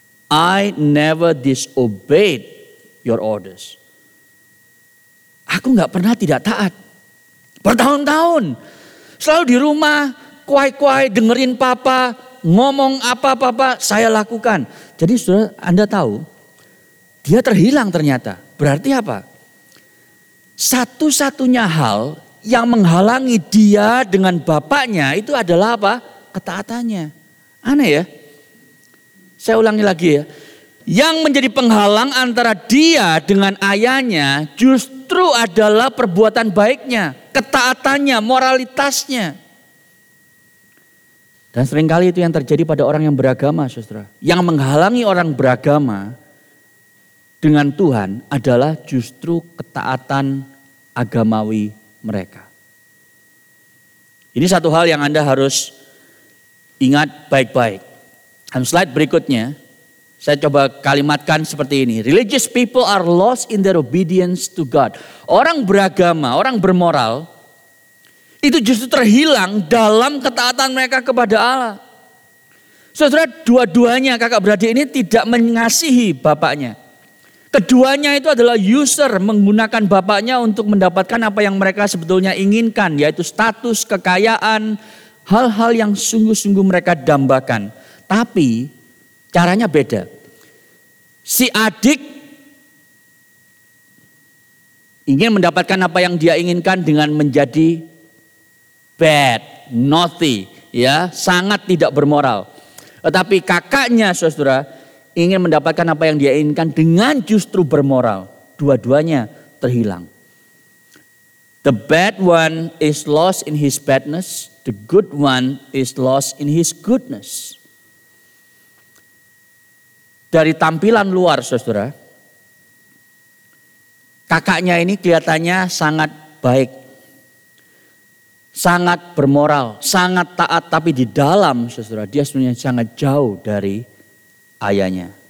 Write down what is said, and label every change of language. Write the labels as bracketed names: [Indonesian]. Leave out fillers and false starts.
[English] I never disobeyed your orders. [Indonesian] Aku gak pernah tidak taat. Bertahun-tahun, selalu di rumah, kuai-kuai, dengerin papa, ngomong apa-apa saya lakukan. Jadi sudah Anda tahu, dia terhilang ternyata. Berarti apa? Satu-satunya hal yang menghalangi dia dengan bapaknya itu adalah apa? Ketaatannya. Aneh ya? Saya ulangi lagi ya. Yang menjadi penghalang antara dia dengan ayahnya justru adalah perbuatan baiknya, ketaatannya, moralitasnya. Dan seringkali itu yang terjadi pada orang yang beragama, saudara. Yang menghalangi orang beragama dengan Tuhan adalah justru ketaatan agamawi mereka. Ini satu hal yang Anda harus ingat baik-baik. Dan slide berikutnya, saya coba kalimatkan seperti ini. [English] Religious people are lost in their obedience to God. [Indonesian] Orang beragama, orang bermoral, itu justru terhilang dalam ketaatan mereka kepada Allah. Saudara, dua-duanya kakak beradik ini tidak mengasihi bapaknya. Keduanya itu adalah user, menggunakan bapaknya untuk mendapatkan apa yang mereka sebetulnya inginkan, yaitu status, kekayaan, hal-hal yang sungguh-sungguh mereka dambakan. Tapi caranya beda. Si adik ingin mendapatkan apa yang dia inginkan dengan menjadi [English] bad, naughty, [Indonesian] ya, sangat tidak bermoral. Tetapi kakaknya, saudara, ingin mendapatkan apa yang dia inginkan dengan justru bermoral. Dua-duanya terhilang. [English] The bad one is lost in his badness. The good one is lost in his goodness. [Indonesian] Dari tampilan luar, saudara, kakaknya ini kelihatannya sangat baik. sangat bermoral, sangat taat, tapi di dalam saudara dia sebenarnya sangat jauh dari ayahnya.